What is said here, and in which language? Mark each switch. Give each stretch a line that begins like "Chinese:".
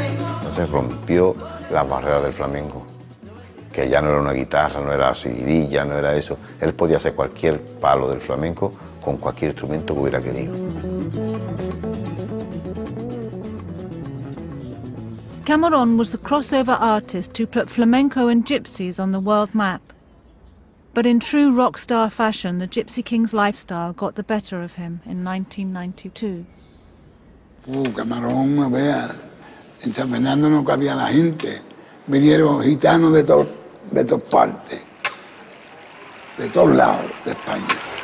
Spanish: Entonces rompió las barreras del flamenco, que ya no era una guitarra, no era seguidilla, no era eso. Él podía hacer cualquier palo del flamenco con cualquier instrumento que hubiera querido.
English: Cameron was the crossover artist who put flamenco and gypsies on the world map. But in true rock star fashion, the Gypsy King's lifestyle got the better of him in 1992.
Spanish: Cameron, vea, en San Fernando no cabía la gente. Vinieron gitanos de todas partes, de todos lados de España.